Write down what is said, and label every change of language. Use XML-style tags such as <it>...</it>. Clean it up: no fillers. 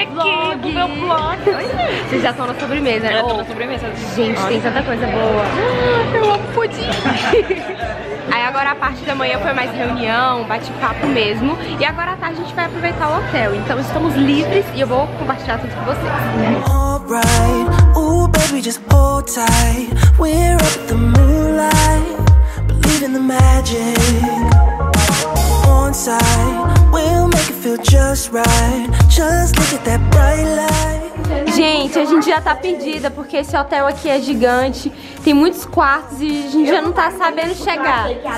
<pt>Oi, pro meu vlog. Vocês já estão na sobremesa, né? Já estão na sobremesa. Gente, nossa, tem tanta coisa boa. Eu amo. pudim. Aí agora a parte da manhã foi mais reunião, bate-papo mesmo. E agora à tarde a gente vai aproveitar o hotel. Então estamos livres e eu vou compartilhar tudo com vocês.</pt> <en>Alright, oh baby, just hold tight. We're up the moonlight, believe in the magic. On site, we'll make it feel just right. Just look at that bright light.</en> <pt>Gente, a gente já tá perdida, porque esse hotel aqui é gigante, tem muitos quartos e a gente já não tá sabendo chegar.</pt>